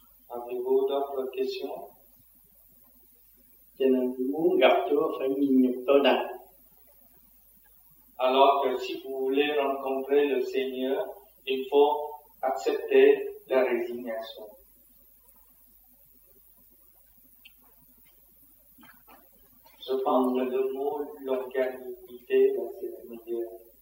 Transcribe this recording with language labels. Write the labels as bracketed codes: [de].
[fr] Avez-vous d'autres questions? [vi] Cho nên muốn gặp Chúa phải nhịn nhục tối đa. [fr] Alors que si vous voulez rencontrer le Seigneur, il faut accepter la résignation. Je pense le mot longanimité, c'est le meilleur.